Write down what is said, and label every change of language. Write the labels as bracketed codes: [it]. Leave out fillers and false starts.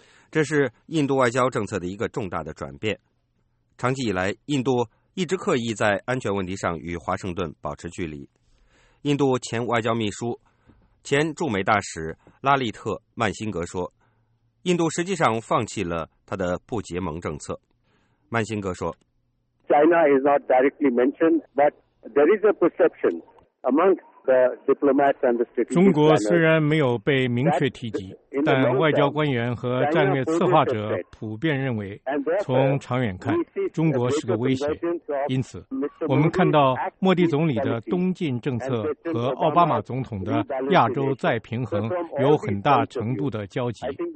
[zh] 这是印度外交政策的一个重大的转变。长期以来，印度一直刻意在安全问题上与华盛顿保持距离。印度前外交秘书、前驻美大使拉利特·曼辛格说，印度实际上放弃了他的不结盟政策。曼辛格说， [en] China is not directly mentioned, but there is a perception among the diplomats and the strategic. [zh] 中国虽然没有被明确提及，但外交官员和战略策划者普遍认为，从长远看，中国是个威胁。因此，我们看到莫迪总理的东进政策和奥巴马总统的亚洲再平衡有很大程度的交集。